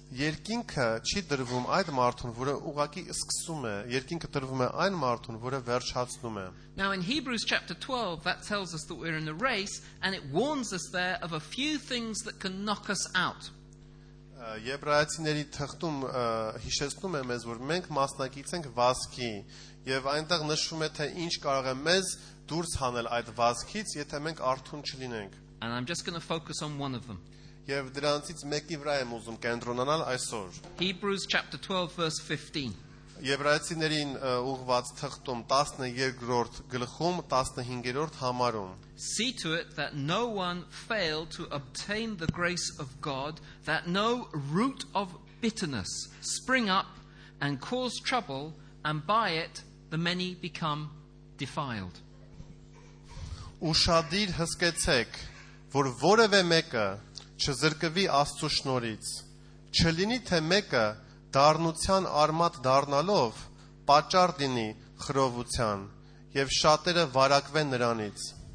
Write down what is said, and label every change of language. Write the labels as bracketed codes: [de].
[hy] Երկինքը չի դրվում այդ մարդուն, որը ուղակի սկսում է, երկինքը դրվում է այն մարդուն, որը վերջացնում է։ [en] Now in Hebrews chapter 12 that tells us that we're in a race and it warns us there of a few things that can knock us out. [hy] Եբրայացիների թղթում հիշեցնում է մեզ, որ մենք մասնակից ենք վազքի, եւ այնտեղ նշվում է, թե ինչ կարող է մեզ դուրս հանել այդ վազքից, եթե մենք արթուն չլինենք. [en] And I'm just going to focus on one of them. [hy] Եվ դրանցից մեկի վրա եմ ուզում կենտրոնանալ այսօր. [en] Hebrews chapter 12 verse 15. [hy] Եբրայացիներին ուղված թղթում 12-րդ գլխում 15-րդ համարում. [en] See to it that no one fail to obtain the grace of God, that no root of bitterness spring up and cause trouble, and by it the many become defiled. [hy] Ուշադիր հսկեցեք, որ որևէ մեկը չզրկվի Աստծո շնորից, չլինի թե մեկը դառնության արմատ դառնալով պատճառ լինի խրովության, եւ շատերը վարակվեն նրանից.